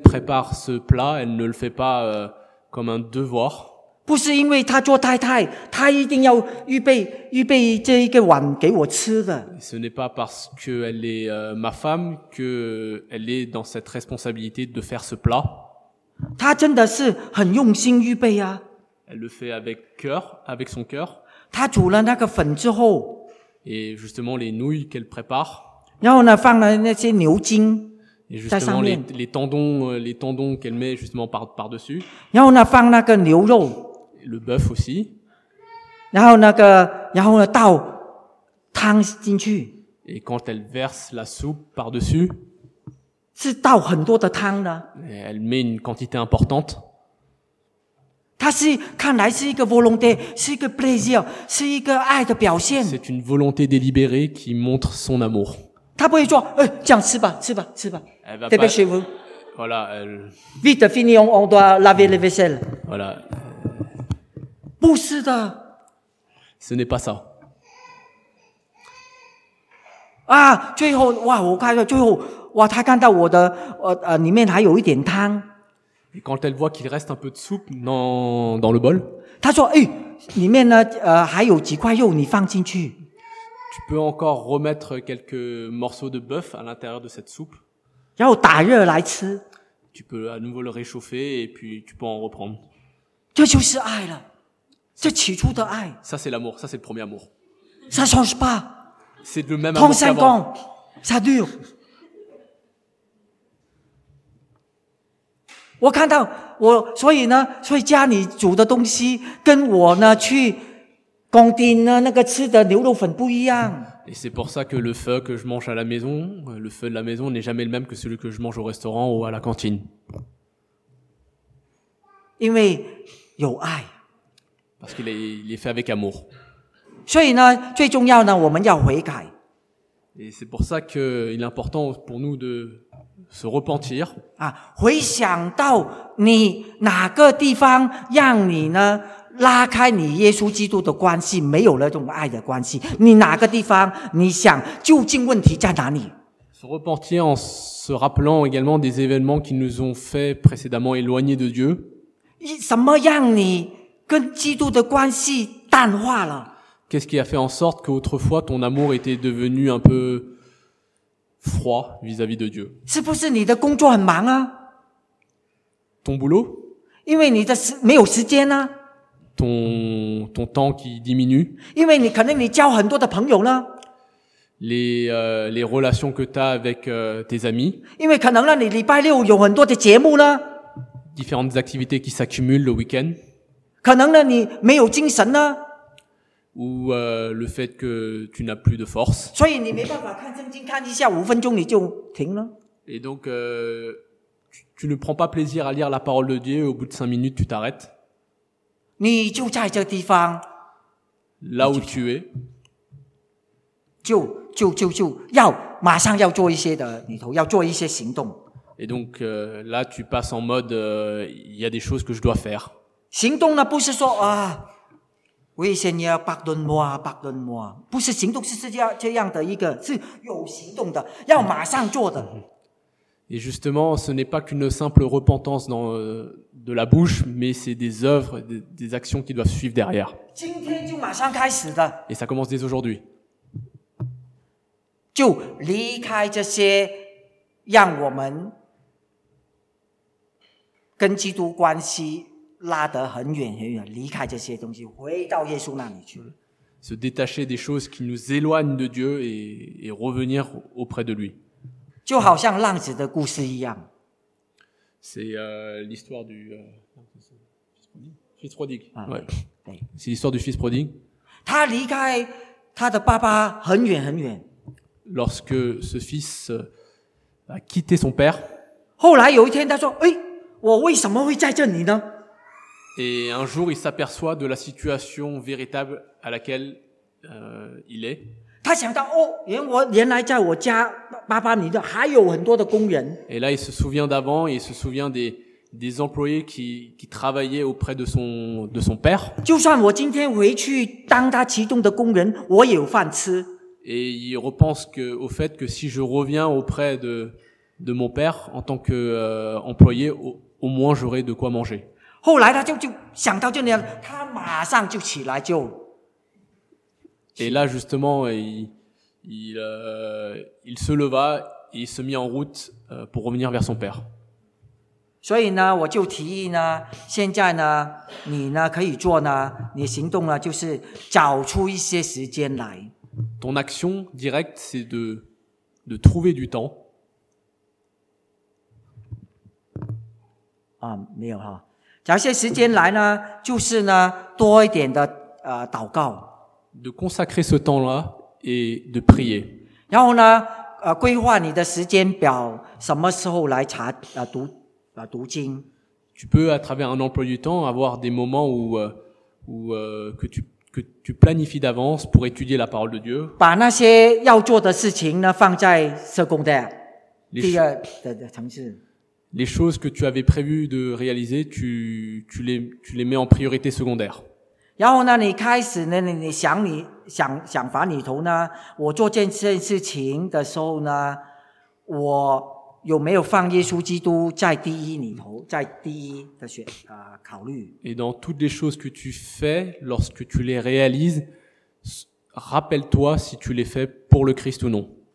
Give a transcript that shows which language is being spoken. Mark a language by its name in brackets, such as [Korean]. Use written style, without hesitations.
[French] prépare ce plat, elle ne le fait pas comme un devoir. [Chinese] 不是因为他做太太，他一定要预备这一个碗给我吃的。 [French] Ce n'est pas parce qu'elle est ma femme qu'elle est dans cette responsabilité de faire ce plat. [Chinese] 他真的是很用心预备啊。 [French] Elle le fait avec cœur, avec son cœur. [Chinese] 他煮了那个粉之后。 [French] Et justement les nouilles qu'elle prépare. [Chinese] 然后呢，放了那些牛筋。 [French] Et justement, les tendons qu'elle met justement par-dessus. [Chinese] 然后呢，放那个牛肉。 [French] Le bœuf aussi. [Chinese] 然后那个，然后呢，倒汤进去。 [French] Et quand elle verse la soupe par-dessus. [Chinese] 是倒很多的汤呢。 [French] Elle met une quantité importante. [Chinese] 它是，看来是一个 volonté, 是一个 plaisir, 是一个爱的表现。 [French] C'est une volonté délibérée qui montre son amour. [Chinese] 他不会说，这样吃吧， [French] dépêchez-vous. Voilà, elle... Vite, fini, on doit laver les vaisselles. Voilà. [Chinese] 不是的。 [French] Ce n'est pas ça. [Chinese] 啊，最后，哇，我看到最后，哇，他看到我的，里面还有一点汤。 [French] Et quand elle voit qu'il reste un peu de soupe dans le bol. [Chinese] 他说，哎，里面呢，还有几块肉，你放进去。 [French] Tu peux encore remettre quelques morceaux de bœuf à l'intérieur de cette soupe. [Chinese] 然后打热来吃。 [French] Tu peux à nouveau le réchauffer et puis tu peux en reprendre. [Chinese] 这就是爱了。这起初的爱。 [French] Ça c'est l'amour, ça c'est le premier amour. Ça change pas. C'est le même amour qu'avant. 35 ans, ça dure. [Chinese] 我看到我，所以呢，所以家里煮的东西跟我呢去工地呢，那个吃的牛肉粉不一样。 [French] Et c'est pour ça que le feu que je mange à la maison, le feu de la maison n'est jamais le même que celui que je mange au restaurant ou à la cantine. [Chinese] 因为有爱。 [French] Parce qu'il est fait avec amour. [Chinese] 所以呢，最重要呢，我们要悔改。 [French] Et c'est pour ça que il est important pour nous de se repentir. [Chinese] 啊，回想到你哪个地方让你呢拉开你耶稣基督的关系，没有了这种爱的关系，你哪个地方你想究竟问题在哪里？ [French] Se repentir en se rappelant également des événements qui nous ont fait précédemment éloigner de Dieu. [Chinese] 什么让你跟基督的关系淡化了？ [French] Qu'est-ce qui a fait en sorte qu'autrefois ton amour était devenu un peu froid vis-à-vis de Dieu? [Chinese] 是不是你的工作很忙啊？ [French] Ton boulot? [Chinese] 因为你的没有时间啊。 [French] Ton temps qui diminue? [Chinese] 因为你可能你交很多的朋友呢。 [French] Les relations que t'as avec tes amis? [Chinese] 因为可能呢你礼拜六有很多的节目呢。 [French] Différentes activités qui s'accumulent le week-end? [Chinese] 可能呢你没有精神呢。 [French] Ou le fait que tu n'as plus de force. [Chinese] 所以你没办法看圣经看一下五分钟你就停了。 [French] Et donc tu ne prends pas plaisir à lire la parole de Dieu et au bout de cinq minutes tu t'arrêtes. [Chinese] 你就在这个地方。 [French] Là où tu es. [Chinese] 就要马上要做一些的里头要做一些行动。 [French] Et donc là tu passes en mode il y a des choses que je dois faire. [Chinese] 行动呢不是说啊。 [French] Oui, Seigneur, pardonne-moi, pardonne-moi. [Chinese] 不是行动，是这样的一个，是有行动的，要马上做的。 [French] Et justement, ce n'est pas qu'une simple repentance dans, de la bouche, mais c'est des œuvres, des actions qui doivent suivre derrière. [Chinese] 今天就马上开始的。 [French] Et ça commence dès aujourd'hui. [Chinese] 就离开这些让我们跟基督关系拉得很远很远，离开这些东西，回到耶稣那里去。 [French] Se détacher des choses qui nous éloignent de Dieu et revenir auprès de lui. [Chinese] 就好像浪子的故事一样。 [French] C'est l'histoire du fils prodigue. C'est l'histoire du fils prodigue. [Chinese] 他离开他的爸爸很远很远。 [French] Lorsque ce fils a quitté son père. [Chinese] 后来有一天他说：“哎，我为什么会在这里呢？” [French] Et un jour, il s'aperçoit de la situation véritable à laquelle, il est. [Chinese] 他想到哦，原来在我家爸爸里头还有很多的工人。 [French] Et là, il se souvient d'avant, il se souvient des employés qui travaillaient auprès de son père. [Chinese] 就算我今天回去当他其中的工人，我也有饭吃。 [French] Et il repense au fait que si je reviens auprès de mon père en tant que, employé, au moins j'aurai de quoi manger. [Chinese] 后来他就想到这里，他马上就起来就。 [French] Et là justement, il se leva et se mit en route pour revenir vers son père. [Chinese] 所以呢，我就提议呢，现在呢，你呢可以做呢，你行动呢就是找出一些时间来。 [French] Ton action directe, c'est de trouver du temps. [Chinese] 啊，没有哈。找些时间来呢，就是呢多一点的祷告。 [French] De consacrer ce temps-là et de prier. [Chinese] 然后呢，规划你的时间表，什么时候来查读经。 [French] Tu peux à travers un emploi du temps avoir des moments où que tu planifies d'avance pour étudier la parole de Dieu. [Chinese] 把那些要做的事情呢放在 secondaire 第二的层次。 [French] Les choses que tu avais prévu de réaliser, tu les mets en priorité secondaire. [Chinese] 然后呢，你开始呢，你想法里头呢，我做这件事情的时候呢，我有没有放耶稣基督在第一里头，在第一的考虑 [French] ？Et dans toutes les choses que tu fais lorsque tu les réalises, rappelle-toi si tu les fais pour le Christ ou non.